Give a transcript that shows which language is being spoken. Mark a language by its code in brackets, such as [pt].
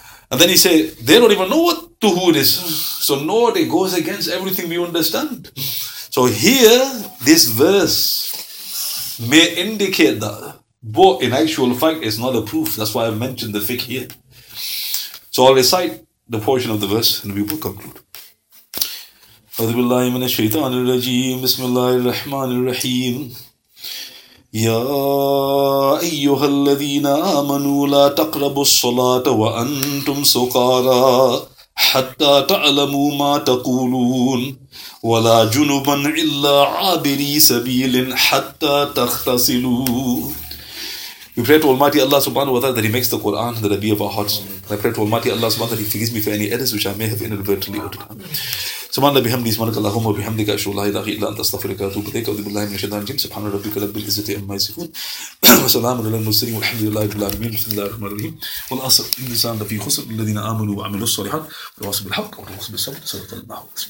[en] And then he say, they don't even know what tuhur is. So, no, it goes against everything we understand. So, here, this verse may indicate that. But in actual fact, it's not a proof. That's why I mentioned the fiqh here. So, I'll recite the portion of the verse and we will conclude. [ar] أعوذ بالله من الشيطان الرجيم بسم الله الرحمن الرحيم يا أيها الذين آمنوا لا تقربوا الصلاة وأنتم سكارى حتى تعلموا ما تقولون ولا جنبا إلا عابري سبيل حتى تغتسلوا. [en] We pray to Almighty Allah subhanahu wa ta'ala that He makes the Quran the Rabi of our hearts. And I pray to Almighty Allah subhanahu wa ta'ala that He forgives me for any errors which I may have inadvertently uttered. [ar] سبحان الله بحمده سبحانك اللهم وبحمدك أشهد أن لا إله إلا أنت أستغفرك وأتوب إليك أعوذ بالله من الشيطان الرجيم سبحان ربك رب العزة عما يصفون وسلام على المرسلين والحمد لله رب العالمين بسم الله الرحمن الرحيم والعصر إن الإنسان لفي خسر الذين آمنوا وعملوا الصالحات وتواصوا بالحق وتواصوا بالصبر صدق الله العظيم.